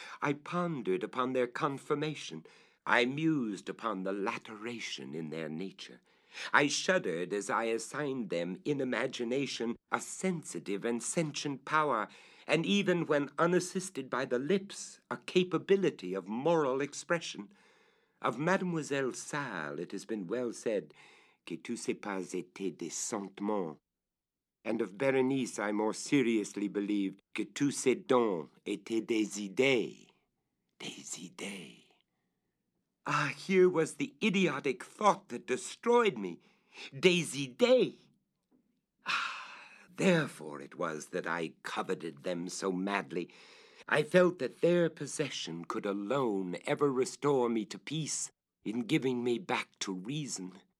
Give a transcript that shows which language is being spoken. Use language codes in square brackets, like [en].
[en] I pondered upon their conformation. I mused upon the lateration in their nature. I shuddered as I assigned them, in imagination, a sensitive and sentient power, and even when unassisted by the lips, a capability of moral expression. Of Mademoiselle Salle it has been well said, [fr] que tous ces pas étaient des sentiments, [en] and of Berenice I more seriously believed, [fr] que tous ces dons étaient des idées, [en] des idées. Ah, here was the idiotic thought that destroyed me. [fr] Des idées. [en] Ah, therefore it was that I coveted them so madly. I felt that their possession could alone ever restore me to peace in giving me back to reason.